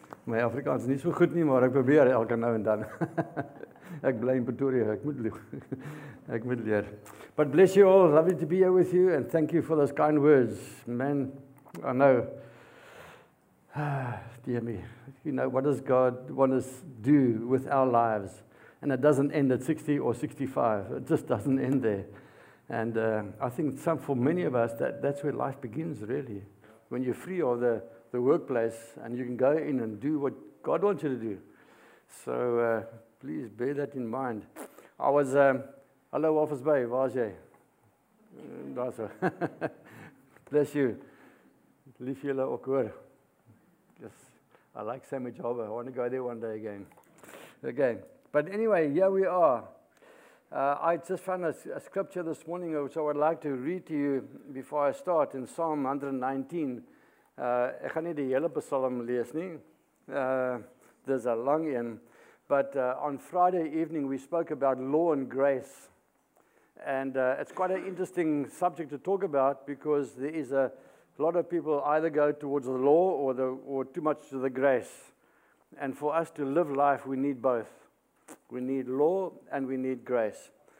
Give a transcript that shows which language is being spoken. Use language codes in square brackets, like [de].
[af] My Afrikaans is nie so goed nie, maar ek probeer elke nou en dan. Ek bly in Pretoria, ek moet leer. [en] But bless you all, lovely to be here with you and thank you for those kind words. Man, I know. Dear me, you know, what does God want us to do with our lives? And it doesn't end at 60 or 65. It just doesn't end there. And I think some, for many of us, that's where life begins, really. When you're free of the workplace and you can go in and do what God wants you to do. So please bear that in mind. I was, hello, Office Bay, [af] waar is jy? Daar so. [en] Bless you. [af] Lief julle ook hoor. [en] I like Sammy Java. I want to go there one day again. Okay. But anyway, here we are. I just found a scripture this morning, which I would like to read to you before I start in Psalm 119. [af] Ek gaan nie die hele psalm lees nie. [en] There's a long one. But on Friday evening, we spoke about law and grace. And it's quite an interesting subject to talk about because there is a lot of people either go towards the law or too much to the grace. And for us to live life, we need both. We need law and we need grace.